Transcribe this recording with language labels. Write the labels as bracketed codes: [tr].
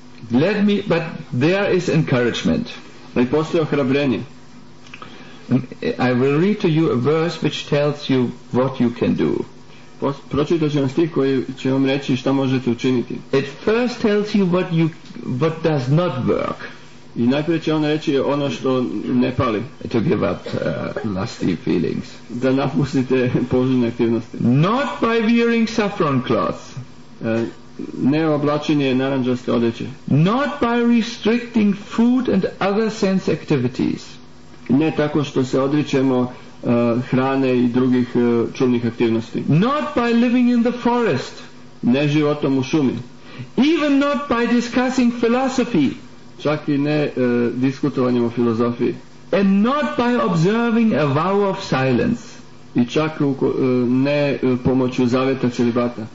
[en] Let me, but there is encouragement. [sr] Ali postoji ohrabrenje. [en] I will read to you a verse which tells you what you can do. [sr] Pročitat ću vam stih koji će vam reći šta možete učiniti. [en] It first tells you what does not work. [sr] I najprije će on reći ono što ne pali. [en] To give up lusty feelings. [sr] Da napustite poželjne aktivnosti. [en] Not by wearing saffron cloth. [sr] Ne oblačenje narandžaste odeće. [en] Not by restricting food and other sense activities. [sr] Ne tako što se odričemo hrane i drugih čulnih aktivnosti. [en] Not by living in the forest. [sr] Ne životom u šumi. [en] Even not by discussing philosophy. [sr] Čak i ne diskutovanjem o filozofiji. [en] And not by observing a vow of silence. [sr] I čak ne pomoću zaveta celibata.